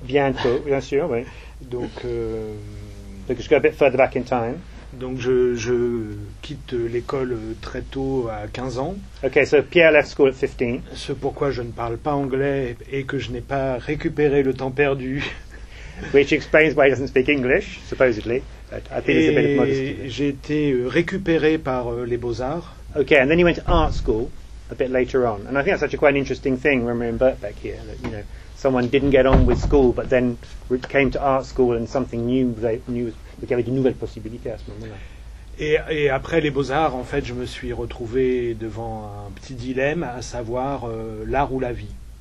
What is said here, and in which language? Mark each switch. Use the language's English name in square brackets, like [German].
[French] Bientôt, bien sûr, oui. Donc, je vais un peu [English] further back in time. [French] Donc, je quitte l'école très tôt, à 15 ans. [English] Ok, so Pierre left school at 15. [French] C'est pourquoi je ne parle pas anglais et que je n'ai pas récupéré le temps perdu. [English] Which explains why he doesn't speak English, supposedly. But I think [French] et [English] it's a bit of modesty. [French] J'ai été récupéré par les Beaux-Arts. [English] Ok, and then he went to art school a bit later on. And I think that's actually quite an interesting thing when we're in Birkbeck here, that, you know, someone didn't get on with school, but then came to art school and something new, they knew, [French] il y avait de nouvelles possibilités à ce moment-là. Et après les Beaux-Arts, en fait, je me suis retrouvé devant un petit dilemme, à savoir l'art ou la vie.